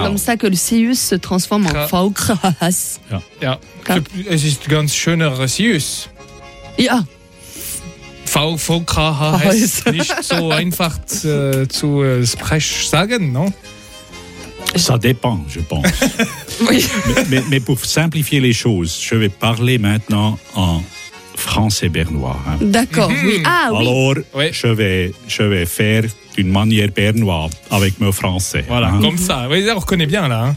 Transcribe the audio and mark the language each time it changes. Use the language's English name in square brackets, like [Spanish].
[French] C'est comme ça que le Sius se transforme en VKHS. [German] Ja. Ja. Es ist ganz schöner Sius. Ja. VKHS. Nicht so einfach zu sagen, non? [French] Ça dépend, je pense. Oui. Mais pour simplifier les choses, je vais parler maintenant en français bernois. Hein. D'accord, oui. Ah, oui. Alors, oui. Je vais faire d'une manière bernoise avec mon français. Voilà, hein. Comme ça. Oui, on reconnaît bien, là.